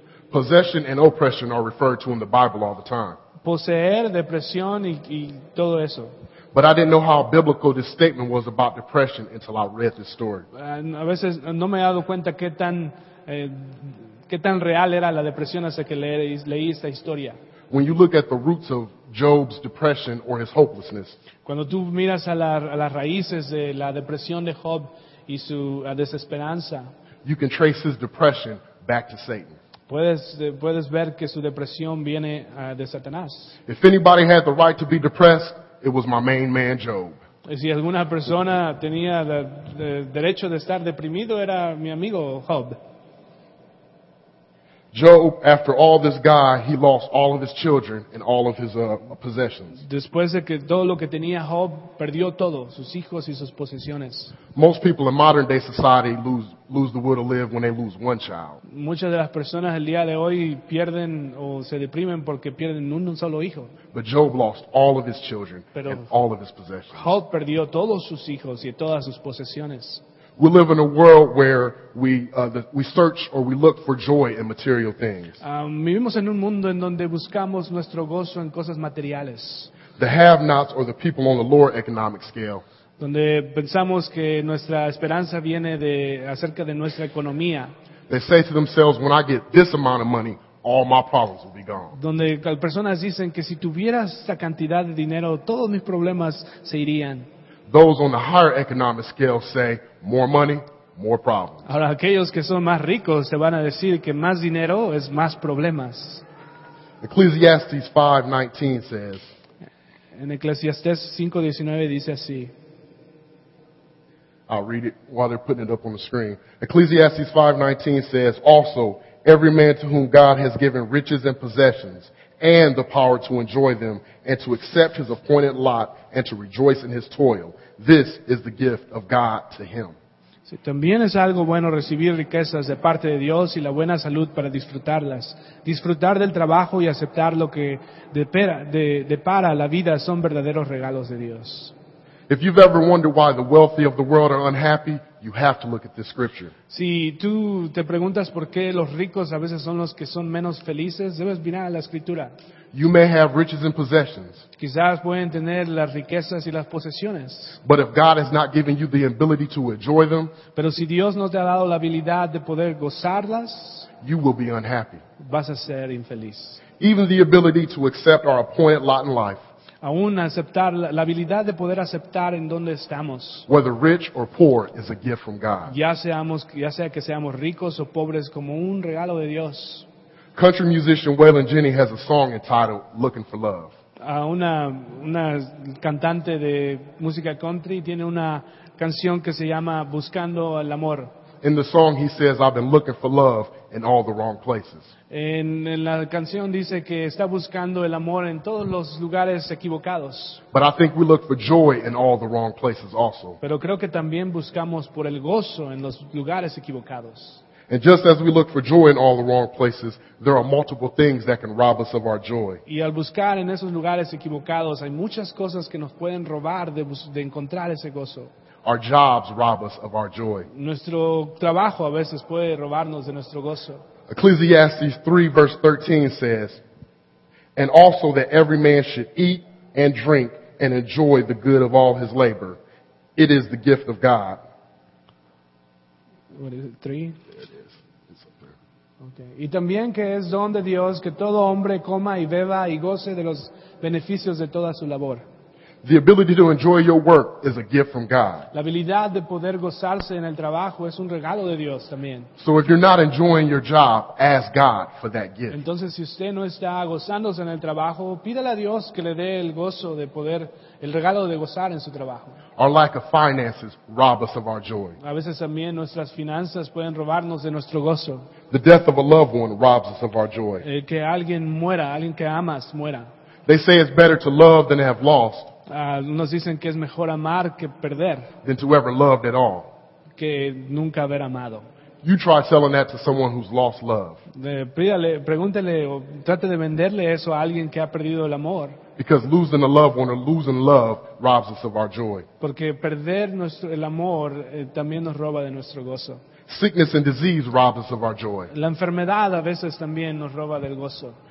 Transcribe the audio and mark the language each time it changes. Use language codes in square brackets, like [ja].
[en] Possession and oppression are referred to in the Bible all the time. [es] Poseer, depresión y todo eso. [en] But I didn't know how biblical this statement was about depression until I read this story. [es] A veces no me he dado cuenta qué tan real era la depresión hasta que leí esta historia. [en] When you look at the roots of Job's depression or his hopelessness, [es] cuando tú miras a las raíces de la depresión de Job y su desesperanza, [en] you can trace his depression back to Satan. [es] Puedes ver que su depresión viene de Satanás. [en] If anybody had the right to be depressed, it was my main man Job. [es] Si alguna persona tenía el derecho de estar deprimido, era mi amigo Job. [en] Job, after all this guy, he lost all of his children and all of his possessions. [es] Después de que todo lo que tenía Job, perdió todo, sus hijos y sus posesiones. [en] Most people in modern day society lose the will to live when they lose one child. [es] Muchas de las personas el día de hoy pierden o se deprimen porque pierden un solo hijo. [en] But Job lost all of his children and all of his possessions. [es] Job perdió todos sus hijos y todas sus posesiones. [en] We live in a world where we search or we look for joy in material things. [es] Vivimos en un mundo en donde buscamos nuestro gozo en cosas materiales. [en] The have-nots or the people on the lower economic scale. [es] Donde pensamos que nuestra esperanza viene de acerca de nuestra economía. [en] They say to themselves, "When I get this amount of money, all my problems will be gone." [es] Donde las personas dicen que si tuvieras esta cantidad de dinero, todos mis problemas se irían. [en] Those on the higher economic scale say, "More money, more problems." [es] Ahora aquellos que son más ricos se van a decir que más dinero es más problemas. [en] Ecclesiastes 5:19 says. [es] En Eclesiastés 5:19 dice así. [en] I'll read it while they're putting it up on the screen. Ecclesiastes 5:19 says, "Also, every man to whom God has given riches and possessions, and the power to enjoy them, and to accept his appointed lot, and to rejoice in his toil. This is the gift of God to him." [es] Sí, también es algo bueno recibir riquezas de parte de Dios y la buena salud para disfrutarlas. Disfrutar del trabajo y aceptar lo que depara la vida son verdaderos regalos de Dios. [en] If you've ever wondered why the wealthy of the world are unhappy, you have to look at this scripture. [es] Si tú te preguntas por qué los ricos a veces son los que son menos felices, debes mirar a la escritura. [en] You may have riches and possessions. [es] Quizás pueden tener las riquezas y las posesiones. [en] But if God has not given you the ability to enjoy them, [es] pero si Dios no te ha dado la habilidad de poder gozarlas, [en] you will be unhappy. [es] Vas a ser infeliz. [en] Even the ability to accept our appointed lot in life. [es] Aún aceptar la habilidad de poder aceptar en donde estamos. [en] Whether rich or poor is a gift from God. [es] Ya sea que seamos ricos o pobres, como un regalo de Dios. [en] Country musician Waylon Jennings has a song entitled "Looking for Love." [es] Una cantante de música country tiene una canción que se llama "Buscando el amor." [en] In the song, he says, "I've been looking for love in all the wrong places." [es] En la canción dice que está buscando el amor en todos los lugares equivocados. [en] But I think we look for joy in all the wrong places also. [es] Pero creo que también buscamos por el gozo en los lugares equivocados. [en] And just as we look for joy in all the wrong places, there are multiple things that can rob us of our joy. [es] Y al buscar en esos lugares equivocados, hay muchas cosas que nos pueden robar de encontrar ese gozo. [en] Our jobs rob us of our joy. [es] Nuestro trabajo a veces puede robarnos de nuestro gozo. [en] Ecclesiastes 3:13 says, "And also that every man should eat and drink and enjoy the good of all his labor. It is the gift of God." What is it? 3? There it is. It's up there. Okay. [es] Y también que es don de Dios que todo hombre coma y beba y goce de los beneficios de toda su labor. [en] The ability to enjoy your work is a gift from God. [es] La habilidad de poder gozarse en el trabajo es un regalo de Dios también. [en] So if you're not enjoying your job, ask God for that gift. [es] Entonces, si usted no está gozándose en el trabajo, pídale a Dios que le dé el gozo de poder, el regalo de gozar en su trabajo. [en] Our lack of finances rob us of our joy. [es] A veces también nuestras finanzas pueden robarnos de nuestro gozo. [en] The death of a loved one robs us of our joy. [es] El que alguien muera, alguien que amas muera. [en] They say it's better to love than to have lost. [es] Nos dicen que es mejor amar que perder. [en] Than to ever loved at all. [es] Que nunca haber amado. [en] You try selling that to someone who's lost love. [es] Pregúntele o trate de venderle eso a alguien que ha perdido el amor. [en] Because losing a loved one or losing love robs us of our joy. [es] Porque perder el amor también nos roba de nuestro gozo. [en] Sickness and disease rob us of our joy. [es] La enfermedad a veces también nos roba del gozo.